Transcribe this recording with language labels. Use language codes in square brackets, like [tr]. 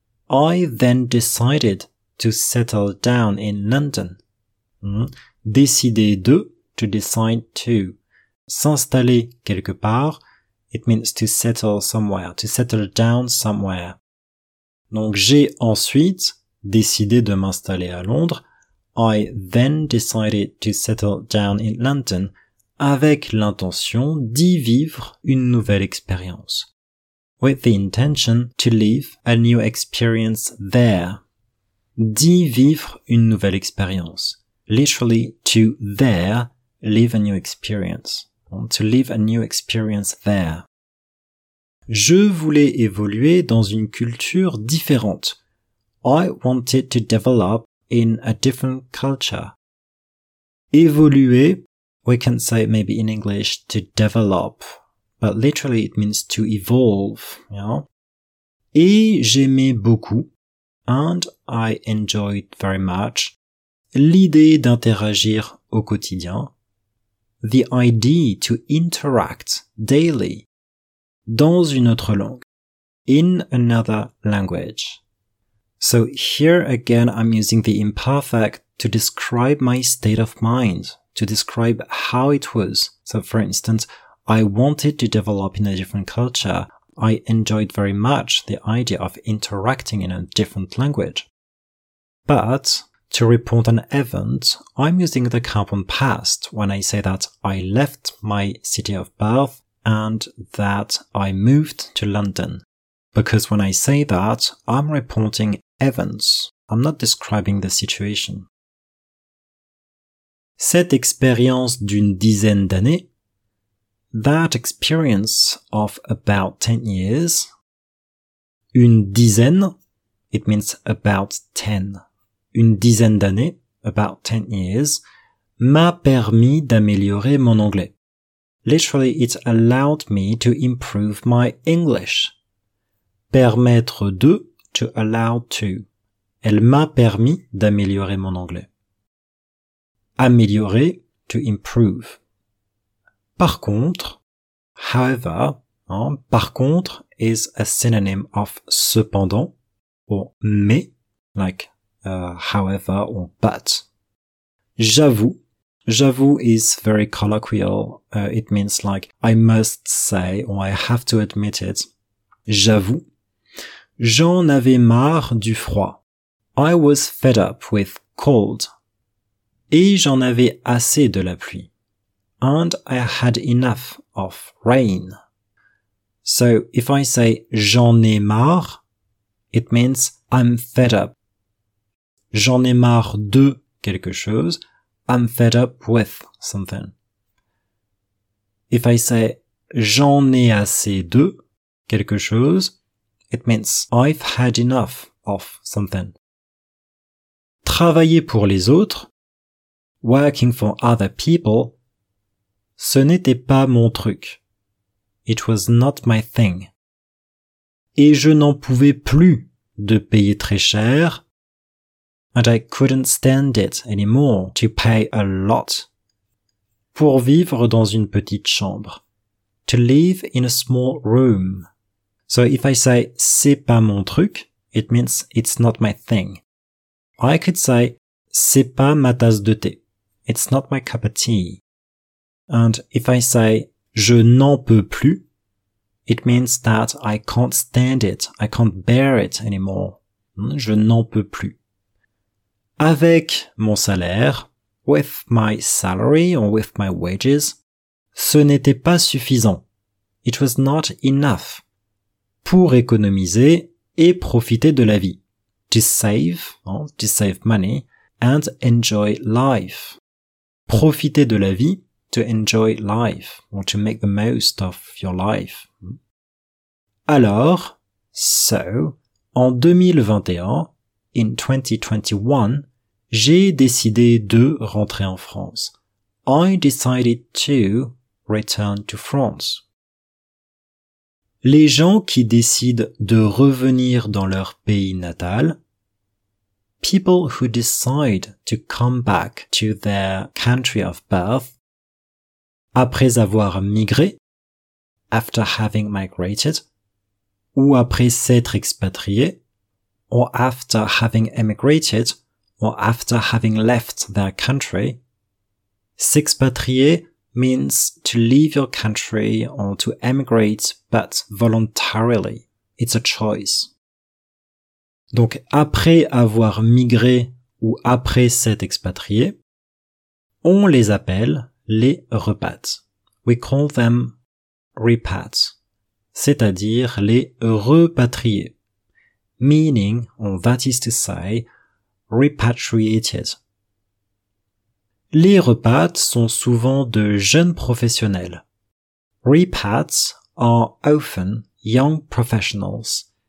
[en] I then decided to settle down in London. [fr] Décider de, [en] to decide to. [fr] S'installer quelque part, [en] it means to settle somewhere, to settle down somewhere. [fr] Donc j'ai ensuite décidé de m'installer à Londres. [en] I then decided to settle down in London [fr] avec l'intention d'y vivre une nouvelle expérience. [en] With the intention to live a new experience there. [fr] D'y vivre une nouvelle expérience. [en] Literally, to there, live a new experience. To live a new experience there. [fr] Je voulais évoluer dans une culture différente. [en] I wanted to develop in a different culture. [fr] Évoluer, [en] we can say maybe in English to develop, but literally it means to evolve. Yeah? [fr] Et j'aimais beaucoup, [en] and I enjoy it very much. [fr] L'idée d'interagir au quotidien. [en] The idea to interact daily. [fr] Dans une autre langue. [en] In another language. So here again I'm using the imperfect to describe my state of mind, to describe how it was. So for instance, I wanted to develop in a different culture. I enjoyed very much the idea of interacting in a different language. But to report an event, I'm using the compound past when I say that I left my city of birth and that I moved to London. Because when I say that, I'm reporting events. I'm not describing the situation. [fr] Cette expérience d'une dizaine d'années. [en] That experience of about 10 years. [fr] Une dizaine. [en] It means about 10. [fr] Une dizaine d'années. [en] About 10 years. [fr] M'a permis d'améliorer mon anglais. [en] Literally, it allowed me to improve my English. [fr] Permettre de. [en] To allow to. [fr] Elle m'a permis d'améliorer mon anglais. Améliorer, [en] to improve. [fr] Par contre, [en] however, hein, [fr] par contre [en] is a synonym of [fr] cependant [en] or [fr] mais, [en] like however or but. [fr] J'avoue [en] is very colloquial. It means like I must say or I have to admit it. [fr] J'avoue. J'en avais marre du froid. [en] I was fed up with cold. [fr] Et j'en avais assez de la pluie. [en] And I had enough of rain. So if I say [fr] j'en ai marre, [en] it means I'm fed up. [fr] J'en ai marre de quelque chose. [en] I'm fed up with something. If I say [fr] j'en ai assez de quelque chose, [en] it means I've had enough of something. [fr] Travailler pour les autres. [en] Working for other people. [fr] Ce n'était pas mon truc. [en] It was not my thing. [fr] Et je n'en pouvais plus de payer très cher. [en] And I couldn't stand it anymore to pay a lot. [fr] Pour vivre dans une petite chambre. [en] To live in a small room. So if I say [fr] c'est pas mon truc, [en] it means it's not my thing. I could say [fr] c'est pas ma tasse de thé. [en] It's not my cup of tea. And if I say [fr] je n'en peux plus, [en] it means that I can't stand it, I can't bear it anymore. [fr] Je n'en peux plus. Avec mon salaire, [en] with my salary or with my wages, [fr] ce n'était pas suffisant. [en] It was not enough. [fr] Pour économiser et profiter de la vie. [en] To save money and enjoy life. [fr] Profiter de la vie, [en] to enjoy life, or to make the most of your life. [fr] Alors, [en] so, [fr] en 2021, [en] in 2021, [fr] j'ai décidé de rentrer en France. [en] I decided to return to France. [fr] Les gens qui décident de revenir dans leur pays natal. [en] People who decide to come back to their country of birth. [fr] Après avoir migré. [en] After having migrated. [fr] Ou après s'être expatrié. [en] Or after having emigrated. Or after having left their country. [fr] S'expatrier [en] means to leave your country or to emigrate, but voluntarily. It's a choice. [fr] Donc, après avoir migré ou après s'être expatrié, on les appelle les repats. [en] We call them repats. [fr] C'est-à-dire les repatriés. [en] Meaning, or that is to say, repatriated. [fr] Les repats sont souvent de jeunes professionnels. [en] Repats are often young professionals.